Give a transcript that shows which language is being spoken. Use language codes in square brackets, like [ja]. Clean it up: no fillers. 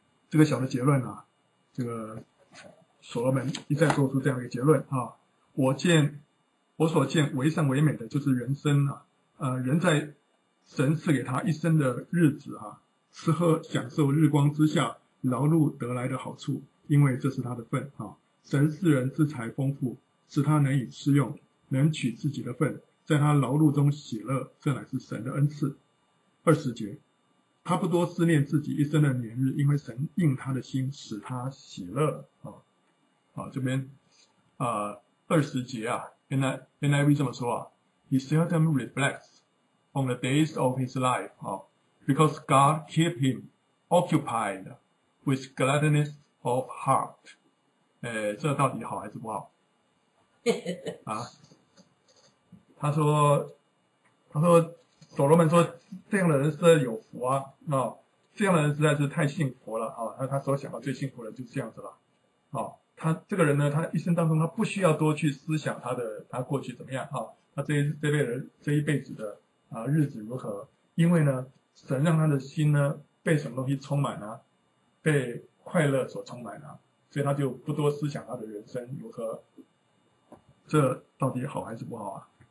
[zh] 这个小的结论啊，这个所罗门一再做出这样一个结论啊，我所见为善为美的就是人生啊，人在神赐给他一生的日子啊，吃喝享受日光之下劳碌得来的好处，因为这是他的份啊。神赐人之财丰富，使他能以吃用。能取自己的份，在他劳碌中喜乐，这乃是神的恩赐。二十节，他不多思念自己一生的年日，因为神应他的心，使他喜乐。这边二十节啊 [en] ，NIV [zh] 这么说啊 [en] ，He seldom reflects on the days of his life 啊 ，because God keep him occupied with gladness of heart。 [zh] 这到底好还是不好？啊？他说所罗门说这样的人是有福啊，哦，这样的人实在是太幸福了，哦，他所想到最幸福的就是这样子了，哦，他这个人呢，他一生当中他不需要多去思想他过去怎么样，哦，他这一辈子的日子如何，因为呢神让他的心呢被什么东西充满呢，被快乐所充满呢，所以他就不多思想他的人生如何，这到底好还是不好啊？